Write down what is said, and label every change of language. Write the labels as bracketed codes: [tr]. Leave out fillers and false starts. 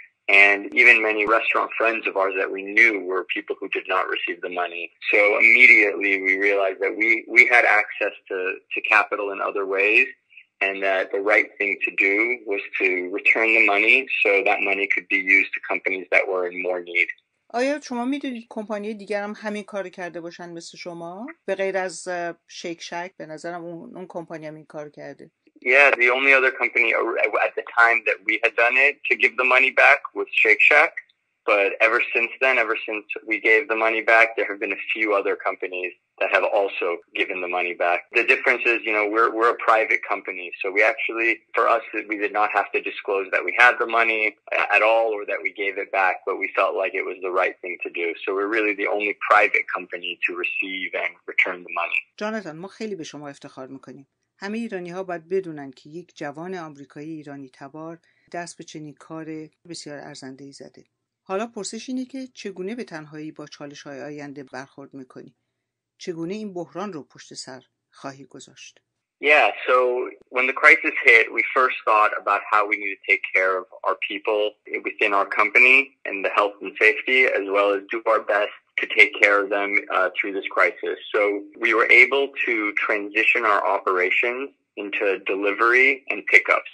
[en] And even many restaurant friends of ours that we knew were people who did not receive the money. So immediately we realized that we had access to capital in other ways, and that the right thing to do was to return the money so that money could be used to companies that were in more need. [fa] آیا شما میدونید کمپانی دیگر هم همین کار کرده باشن مثل شما؟ به غیر از شیک شک به نظرم اون کمپانی هم این کار کرده. [en] Yeah, the only other company at the time that we had done it to give the money back was Shake Shack. But ever since then, ever since we gave the money back, there have been a few other companies that have also given the money back. The difference is, you know, we're a private company. So we actually, for us, we did not have to disclose that we had the money at all or that we gave it back, but we felt like it was the right thing to do. So we're really the only private company to receive and return the money. [fa] Jonathan, ما خیلی به شما افتخار میکنیم. همه ایرانی ها باید بدونن که یک جوان آمریکایی ایرانی تبار دست به چنین کار بسیار ارزنده ای زده. حالا پرسش اینه که چگونه به تنهایی با چالش های آینده برخورد میکنی؟ چگونه این بحران رو پشت سر خواهی گذاشت؟ [en] Yeah, so when the crisis hit, we first thought about how we need to take care of our people within our company and the health and safety, as well as do our best to take care of them through this crisis. So we were able to transition our operations into delivery and pickup.